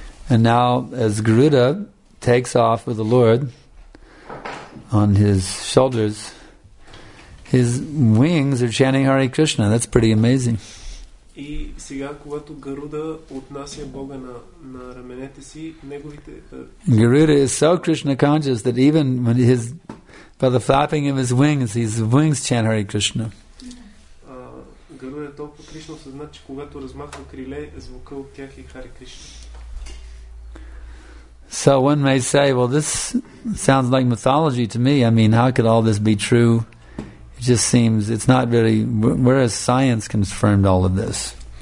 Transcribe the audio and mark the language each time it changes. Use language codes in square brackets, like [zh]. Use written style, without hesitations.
[en] And now, as Garuda takes off with the Lord on his shoulders, his wings are chanting Hare Krishna. That's pretty amazing. [bg] И сега, когато Гаруда отнася Бога на раменете си, неговите... [en] Garuda is so Krishna conscious that even when his, by the flapping of his wings chant Hare Krishna. [bg] Гаруда е толкова Кришна съзнат, че когато размахва криле, звука от тях е Хари Кришна. [en] So one may say, well, this sounds like mythology to me. I mean, how could all this be true? It just seems, it's not really, where has science confirmed all of this?